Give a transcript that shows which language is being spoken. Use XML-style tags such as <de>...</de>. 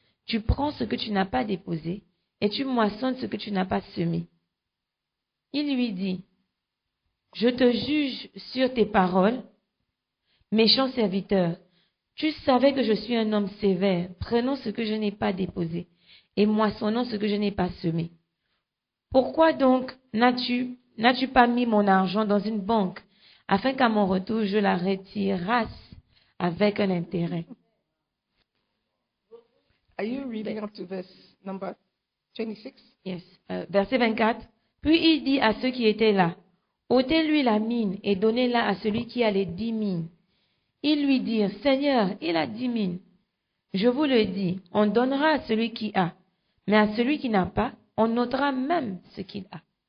<fr>Tu prends ce que tu n'as pas déposé et tu moissonnes ce que tu n'as pas semé. » Il lui dit, « Je te juge sur tes paroles. » Méchant serviteur, tu savais que je suis un homme sévère, prenant ce que je n'ai pas déposé et moissonnant ce que je n'ai pas semé. Pourquoi donc n'as-tu pas mis mon argent dans une banque afin qu'à mon retour je la retirasse avec un intérêt?</fr> <en>Are you reading up to verse number 26?</en> <fr>Yes. Verset 24. Puis il dit à ceux qui étaient là, ôtez-lui la mine et donnez-la à celui qui a les 10 mines. Ils lui dirent, Seigneur, il a 10 mines. Je vous le dis, on donnera à celui qui a, mais à celui qui n'a pas, on notera même ce qu'il a.</fr>